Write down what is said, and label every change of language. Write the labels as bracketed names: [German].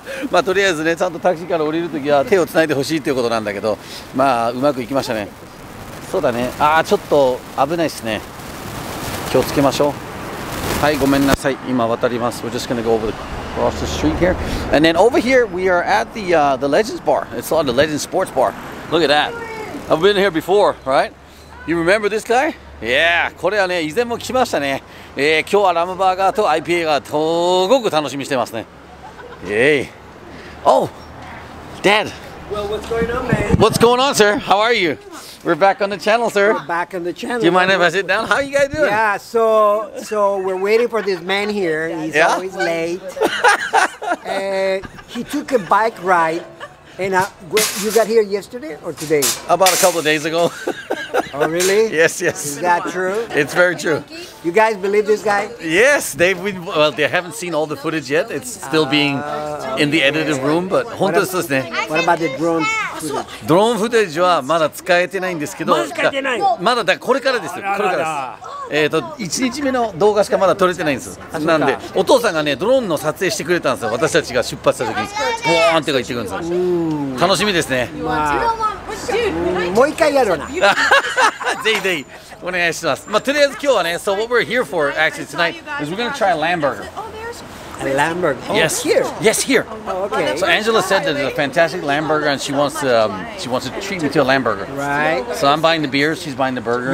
[Japanese] まあとりあえずね、ちゃんとタクシーから降りるときは手をつないでほしいということなんだけど、まあうまくいきましたね。そうだね。ああちょっと危ないですね。気をつけましょう。はい、ごめんなさい。今渡ります。 [English] We're just gonna go over the, across the street here, and then over here we are at the Legends Bar. It's on the Legends Sports Bar. Look at that. I've been here before, right? You remember this guy? [Japanese] いやー、これはね、以前も来ましたね。今日はラムバーガーと IPA がすごく楽しみしてますね。 [English] イエーイ。Oh! Dad! Well, what's going on, man? What's going on, sir? How are you? We're back on the channel, sir. We're back on the channel. Do you mind if I sit down? How are you guys doing? Yeah, so we're waiting for this man here. He's yeah? always late. he took a bike ride. And you got here yesterday or today? About a couple of days ago. Oh, really? Yes, yes. Is that true? It's very true. You guys believe this guy? Yes, they haven't seen all the footage yet. It's still being in the edited room, but [Japanese] 本当ですね。 [English] What about the drone footage? [Japanese] ドローンフーテージはまだ使えてないんですけど。まだ使えてない。まだこれからです。これからです。 1日目の動画しかまだ撮れてないんです。なんで、お父さんがね、ドローンの撮影してくれたんですよ。私たちが出発した時に、ボーンってか言ってくるんですよ。楽しみですね。もう一回やるな。ぜひぜひ、お願いします。まあ、とりあえず今日はね、 [English] So what we're here for actually tonight is we're gonna try a lamb burger. A lamb burger? Yes. Oh, here? Yes, here. Oh, okay. So Angela said that it's a fantastic lamb burger and she wants to treat me to a lamb burger. Right. So I'm buying the beer, she's buying the burger.